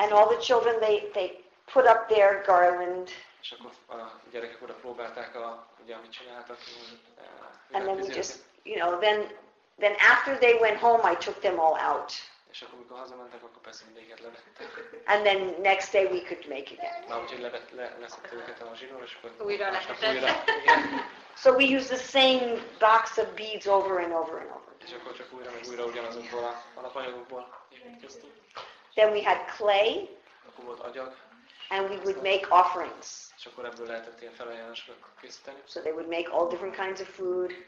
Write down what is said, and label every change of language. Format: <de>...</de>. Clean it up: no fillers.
<en>And all the children, they put up their garland.</en> <hu>És akkor a gyerekek oda próbálták a, ugye, amit csináltak.</hu> <en>And then we just, you know, then after they went home, I took them all out.</en> <hu>És akkor mikor hazamentek, akkor persze mindegyiket levettek.</hu> <en>And then next day we could make again.</en> <hu>Na, úgyhogy leszett őket a zsinór, és akkor újra lehetett.</hu> <en>So we use the same box of beads over and over and over.</en> <hu>És akkor csak újra, meg újra ugyanazokból a alapanyagokból építkeztünk.</hu> <en>Then we had clay.</en> <hu>Akkor volt agyag.</hu> <en>And we would make offerings.</en> <hu>És akkor ebből lehetett ilyen felajánlásokat készíteni.</hu> <en>So they would make all different kinds of food.</en>